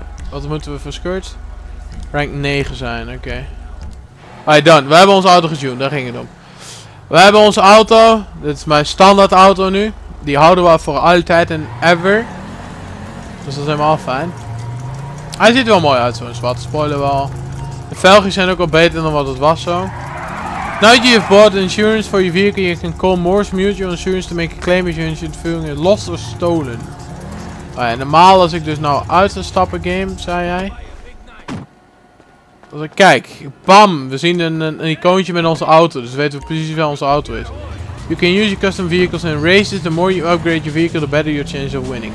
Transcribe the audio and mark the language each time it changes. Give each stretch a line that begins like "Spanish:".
Dutch: Wat moeten we voor skirts? Rank 9 zijn, oké. Okay.
English: Alright, done.
Dutch: We hebben onze auto getuned. Daar ging het om. We hebben onze auto. Dit is mijn standaard auto nu. Die houden we voor altijd en ever. Dus dat is helemaal fijn. Hij ziet er wel mooi uit, zo'n zwarte spoiler wel. De velgen zijn ook al beter dan wat het was zo.
English: Now you have bought insurance for your vehicle, you can call Morse Mutual Insurance to make a claim if your insurance vehicle is lost or stolen.
Dutch: Oh ja, normaal als ik dus nou uit zou stappen game, zei hij. Als ik kijk, bam, we zien een icoontje met onze auto, dus weten we precies waar onze auto is.
English: You can use your custom vehicles in races, the more you upgrade your vehicle, the better your chance of winning.